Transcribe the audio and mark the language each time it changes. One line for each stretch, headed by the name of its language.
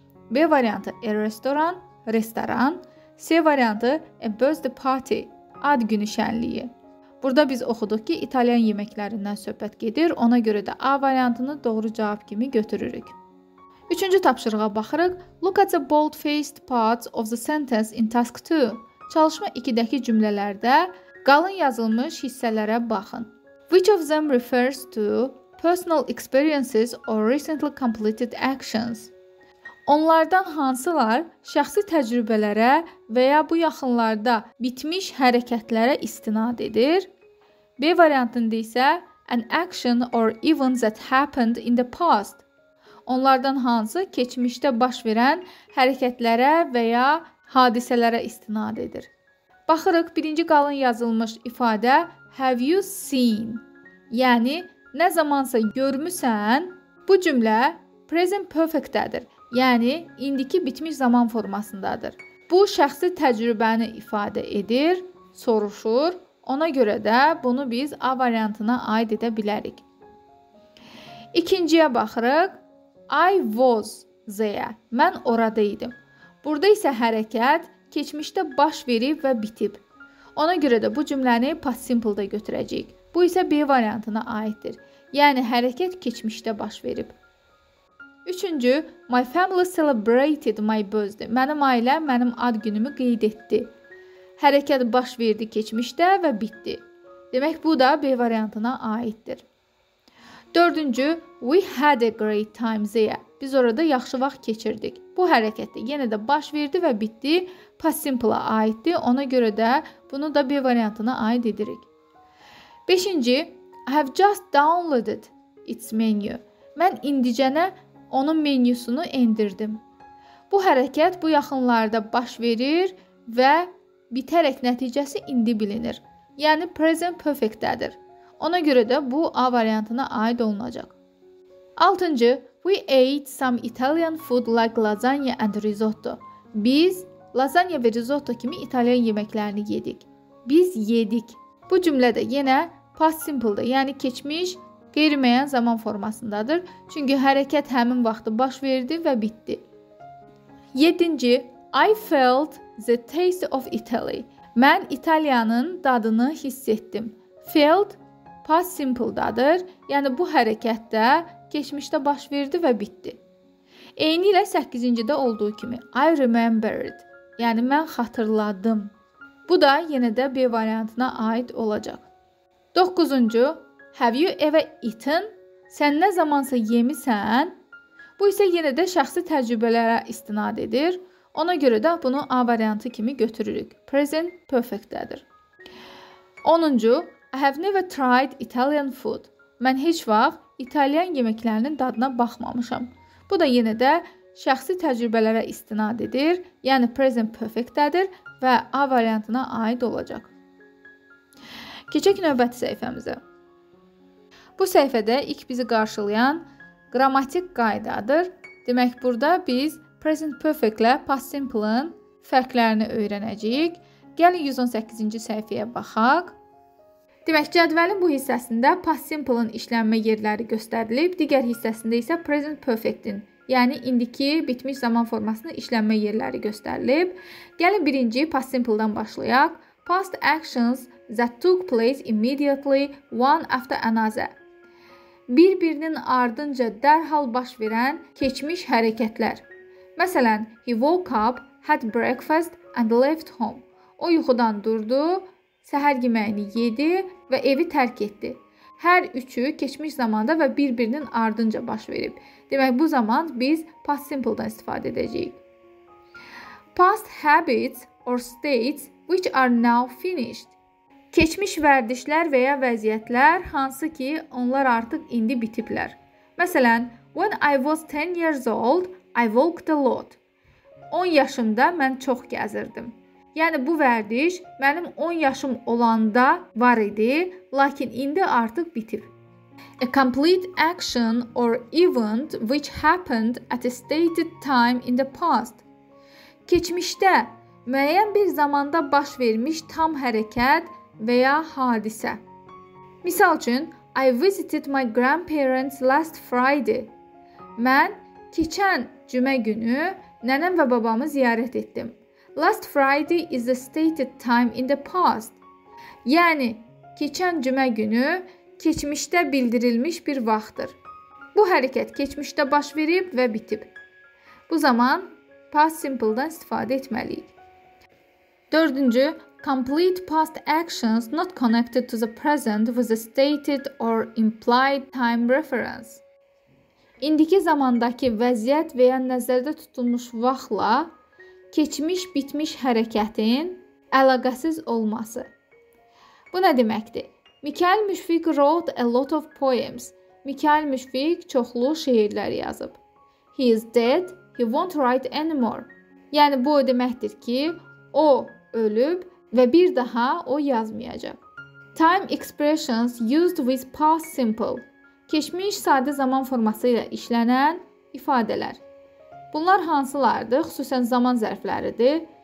Azerbaijani: B variantı
English: a restaurant,
Azerbaijani: restoran. C variantı
English: a birthday party,
Azerbaijani: ad günü şənliyi. Burada biz oxuduq ki, İtalyan yeməklərindən söhbət gedir. Ona görə də A variantını doğru cavab kimi götürürük. Üçüncü tapşırığa baxırıq.
English: Look at the bold-faced parts of the sentence in task 2.
Azerbaijani: Çalışma 2-dəki cümlələrdə qalın yazılmış hissələrə baxın.
English: Which of them refers to personal experiences or recently completed actions?
Azerbaijani: Onlardan hansılar şəxsi təcrübələrə və ya bu yaxınlarda bitmiş hərəkətlərə istinad edir? B variantında isə
English: an action or event that happened in the past.
Azerbaijani: Onlardan hansı keçmişdə baş verən hərəkətlərə və ya hadisələrə istinad edir? Baxırıq, birinci qalın yazılmış ifadə
English: have you seen?
Azerbaijani: Yəni, nə zamansa görmüsən, bu cümlə present perfect-dədir. Yəni, indiki bitmiş zaman formasındadır. Bu, şəxsi təcrübəni ifadə edir, soruşur. Ona görə də bunu biz A variantına aid edə bilərik. İkinciyə baxırıq.
English: I was there.
Azerbaijani: Mən orada idim. Burada isə hərəkət keçmişdə baş verib və bitib. Ona görə də bu cümləni past simple-da götürəcəyik. Bu isə B variantına aiddir. Yəni, hərəkət keçmişdə baş verib.
English: Üçüncü, my family celebrated my birthday.
Azerbaijani: Mənim ailəm mənim ad günümü qeyd etdi. Hərəkət baş verdi keçmişdə və bitdi. Demək bu da B variantına aiddir.
English: Dördüncü, we had a great time there.
Azerbaijani: Biz orada yaxşı vaxt keçirdik. Bu hərəkət də yenə də baş verdi və bitdi. Past simple-a aiddir. Ona görə də bunu da B variantına aid edirik.
English: Beşinci, I have just downloaded its menu.
Azerbaijani: Mən indicənə onun menüsünü endirdim. Bu hərəkət bu yaxınlarda baş verir və bitərək nəticəsi indi bilinir. Yəni present perfect-dədir. Ona görə də bu A variantına aid olunacaq.
English: 6-cı, we ate some Italian food like lasagna and risotto.
Azerbaijani: Biz lasagna və risotto kimi İtalyan yeməklərini yedik. Biz yedik. Bu cümlədə yenə past simple-dir, yəni keçmiş qeyri-müəyyən zaman formasındadır. Çünki hərəkət həmin vaxtı baş verdi və bitdi.
English: 7-ci, I felt the taste of Italy.
Azerbaijani: Mən İtalyanın dadını hiss etdim. Felt past simple-dadır. Yəni bu hərəkət də keçmişdə baş verdi və bitdi. Eyni ilə 8-ci də olduğu kimi
English: I remembered.
Azerbaijani: Yəni mən xatırladım. Bu da yenə də B variantına aid olacaq. 9-cu,
English: have you ever eaten?
Azerbaijani: Sən nə zamansa yemisən? Bu isə yenə də şəxsi təcrübələrə istinad edir. Ona görə də bunu A variantı kimi götürürük. Present perfect-dədir.
English: 10-cu, I have never tried Italian food.
Azerbaijani: Mən heç vaxt İtalyan yeməklərinin dadına baxmamışam. Bu da yenə də şəxsi təcrübələrə istinad edir. Yəni present perfect-dədir və A variantına aid olacaq. Keçək növbəti səhifəmizə. Bu səhifədə ilk bizi qarşılayan qrammatik qaydadır. Demək, burada biz present perfect ilə past simple-ın fərqlərini öyrənəcəyik. Gəlin 118-ci səhifəyə baxaq. Demək, cədvəlin bu hissəsində past simple-ın işlənmə yerləri göstərilib, digər hissəsində isə present perfect-in, yəni indiki bitmiş zaman formasının işlənmə yerləri göstərilib. Gəlin birinci past simple-dan başlayaq.
English: Past actions that took place immediately one after another.
Azerbaijani: Bir-birinin ardınca dərhal baş verən keçmiş hərəkətlər.
English: Məsələn, he woke up, had breakfast and left home.
Azerbaijani: O yuxudan durdu, səhər yeməyini yedi və evi tərk etdi. Hər üçü keçmiş zamanda və bir-birinin ardınca baş verib. Demək, bu zaman biz past simple-dan istifadə edəcəyik.
English: Past habits or states which are now finished.
Azerbaijani: Keçmiş vərdişlər və ya vəziyyətlər hansı ki onlar artıq indi bitiblər.
English: Məsələn, when I was 10 years old, I walked a lot.
Azerbaijani: 10 yaşımda mən çox gəzirdim. Yəni bu vərdiş mənim 10 yaşım olanda var idi, lakin indi artıq bitib.
English: A complete action or event which happened at a stated time in the past.
Azerbaijani: Keçmişdə müəyyən bir zamanda baş vermiş tam hərəkət və ya hadisə. Misal üçün,
English: I visited my grandparents last Friday.
Azerbaijani: Mən keçən cümə günü nənəm və babamı ziyarət etdim.
English: Last Friday is the stated time in the past.
Azerbaijani: Yəni, keçən cümə günü keçmişdə bildirilmiş bir vaxtdır. Bu hərəkət keçmişdə baş verib və bitib. Bu zaman past simple-dan istifadə etməliyik.
English: Dördüncü, complete past actions not connected to the present with a stated or implied time reference.
Azerbaijani: İndiki zamandakı vəziyyət və ya nəzərdə tutulmuş vaxtla keçmiş bitmiş hərəkətin əlaqəsiz olması. Bu nə deməkdir?
English: Mikhail Müşfiq wrote a lot of poems.
Azerbaijani: Mikhail Müşfiq çoxlu şeirlər yazıb.
English: He is dead, he won't write anymore.
Azerbaijani: Yəni bu o deməkdir ki, o ölüb və bir daha o yazmayacaq.
English: Time expressions used with past simple.
Azerbaijani: Keçmiş sadə zaman forması ilə işlənən ifadələr. Bunlar hansılardır? Xüsusən zaman zərfləridir.